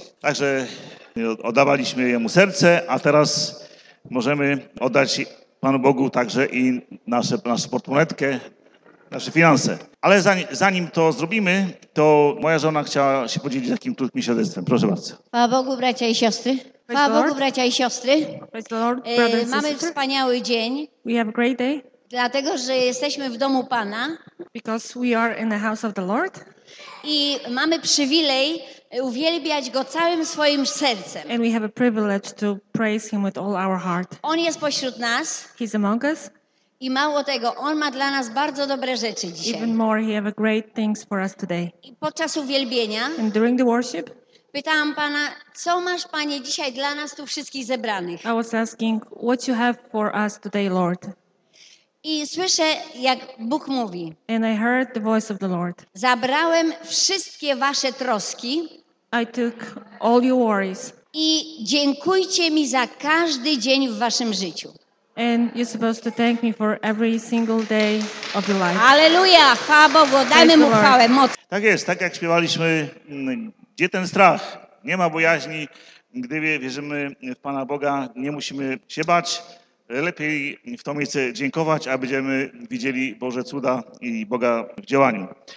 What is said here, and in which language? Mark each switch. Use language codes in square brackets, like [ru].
[pl] Także oddawaliśmy Jemu serce, a teraz możemy oddać Panu Bogu także i naszą portmonetkę, nasze finanse. Ale zanim to zrobimy, to moja żona chciała się podzielić takim krótkim świadectwem. Proszę bardzo. Chwała Bogu, bracia i siostry. Chwała Bogu, bracia i siostry. Mamy wspaniały dzień. [en] We have a great day. [pl] Dlatego, że jesteśmy w domu Pana. [en] Because we are in the house of the Lord. [pl] I mamy przywilej uwielbiać Go całym swoim sercem. [en] And we have a privilege to praise Him with all our heart. [pl] On jest pośród nas. [en] He's among us. [pl] I mało tego, On ma dla nas bardzo dobre rzeczy dzisiaj. [en] Even more, He have great things for us today. [pl] I podczas uwielbienia [en] and during the worship, [pl] pytałam Pana, co masz, Panie, dzisiaj dla nas tu wszystkich zebranych? [en] I was asking, what you have for us today, Lord? [pl] I słyszę, jak Bóg mówi. [en] And I heard the voice of the Lord. [pl] Zabrałem wszystkie wasze troski. [en] I took all your worries. [pl] I dziękujcie mi za każdy dzień w waszym życiu. [en] And you're supposed to thank me for every single day of your life. [pl] Aleluja, chwała Bogu, dajmy Mu chwałę, moc. Tak jest, tak jak śpiewaliśmy, gdzie ten strach? Nie ma bojaźni, gdy wierzymy w Pana Boga, nie musimy się bać. Lepiej w to miejsce dziękować, a będziemy widzieli Boże cuda i Boga w działaniu.